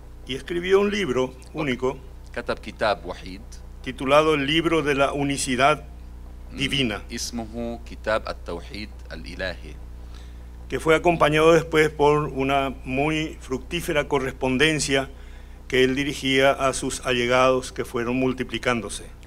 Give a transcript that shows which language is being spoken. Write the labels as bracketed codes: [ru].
[es] Y escribió un libro único. [ar] كتب كتاب وحيد. [es] Titulado El libro de la unicidad divina. [ar] اسمه كتاب التوحيد الإلهي. [es] Que fue acompañado después por una muy fructífera correspondencia que él dirigía a sus allegados que fueron multiplicándose.